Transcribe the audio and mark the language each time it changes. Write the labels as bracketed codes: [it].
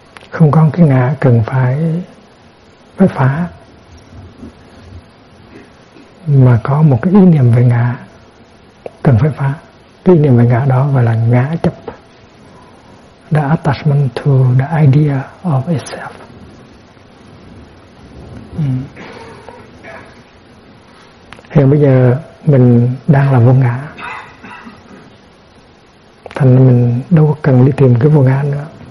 [vi] Không có cái ngã cần phải phá. Mà có một cái ý niệm về ngã cần phải phá. Cái ý niệm về ngã đó gọi là ngã chấp. [en] The attachment to the idea of itself. [vi] Hiện bây giờ mình đang là vô ngã, thành mình đâu có cần đi tìm cái vô ngã nữa.